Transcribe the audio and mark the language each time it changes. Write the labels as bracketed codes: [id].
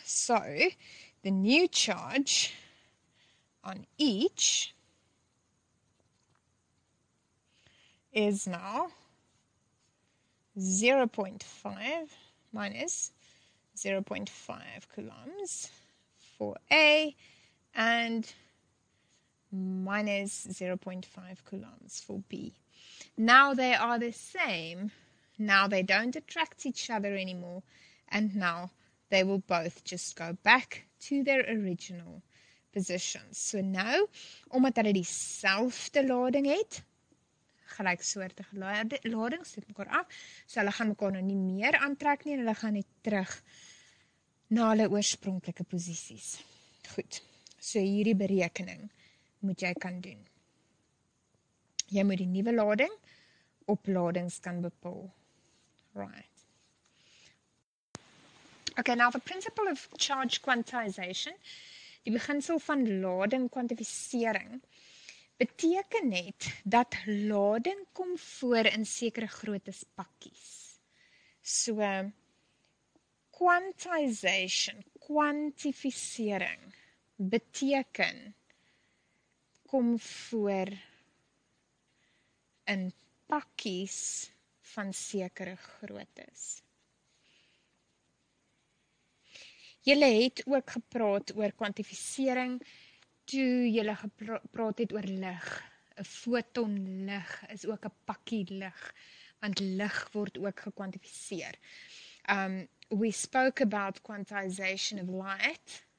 [en] So, the new charge on each is now 0.5 minus 0.5 coulombs for A and minus 0.5 coulombs for B. Now they are the same. Now they don't attract each other anymore. And now they will both just go back to their original positions. [af] So now, omdat hulle dieselfde lading het, gelyksoortige ladings, sit mekaar af, so hulle gaan mekaar nou nie meer aantrek nie, en hulle gaan nie terug na hulle oorspronklike posisies. Goed, so hierdie berekening moet jy kan doen. Jy moet die nuwe lading op ladings kan bepaal. [en] Right. Okay, now the principle of charge quantization, [af] die beginsel van lading kwantifisering, beteken net dat lading kom voor in sekere grootes pakkies. So, quantization, kwantifisering, beteken kom voor in pakkies van sekere grootes. Julle het ook gepraat oor kwantifisering, toe julle gepraat het oor lig, 'n foton lig is ook 'n pakkie lig, want lig word ook gekwantifiseer. [en] We spoke about quantization of light